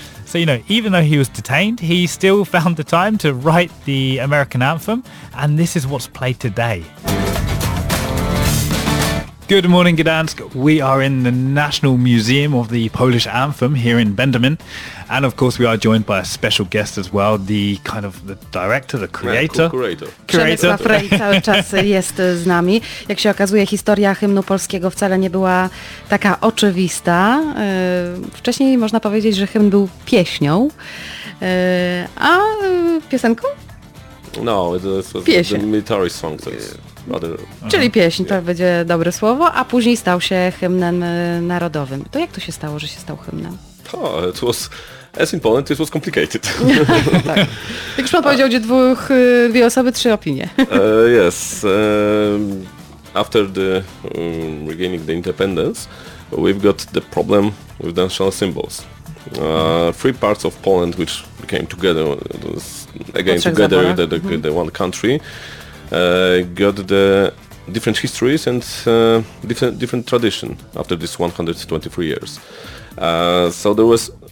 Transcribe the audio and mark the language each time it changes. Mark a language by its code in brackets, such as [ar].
[en] So, you know, even though he was detained, he still found the time to write the American anthem. And this is what's played today. Good morning, Gdansk. We are in the National Museum of the Polish Anthem here in Benjamin. And of course, we are joined by a special guest as well, the director, the creator. Creator. [pl] Przemysław Rej cały czas jest z nami. Jak się okazuje, historia hymnu polskiego wcale nie była taka oczywista. Wcześniej można powiedzieć, że hymn był pieśnią. A piosenką? [en] No, it's a military song. [pl] Czyli pieśń, to będzie dobre słowo, a później stał się hymnem narodowym. To jak to się stało, że się stał hymnem? [en] Oh, it was, as in Poland, it was complicated. [pl] Tak. Jak już pan powiedział, gdzie dwie osoby, trzy opinie. [en] Yes. After the regaining the independence, we've got the problem with the national symbols. Three parts of Poland, which became together, again together, the one country, got the different histories and different tradition after this 123 years. So there was